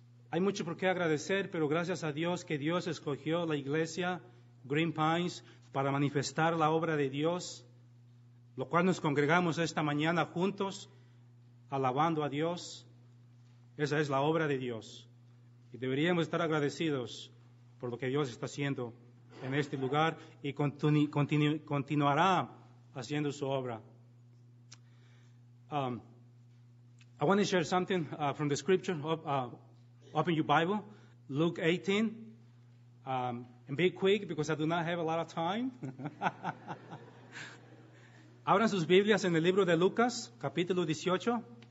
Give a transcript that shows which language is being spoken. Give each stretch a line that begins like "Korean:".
Spanish: Hay mucho por qué agradecer, pero gracias a Dios que Dios escogió la iglesia Green Pines para manifestar la obra de Dios, lo cual nos congregamos esta mañana juntos, alabando a Dios. Esa es la obra de Dios. Y deberíamos estar agradecidos por lo que Dios está haciendo en este lugar y continuará haciendo su obra.
English: I want to share something from the scripture. Open your Bible, Luke 18. And be quick, because I do not have a lot of time.
Spanish: Abran sus Biblias en el libro de Lucas, capítulo 18.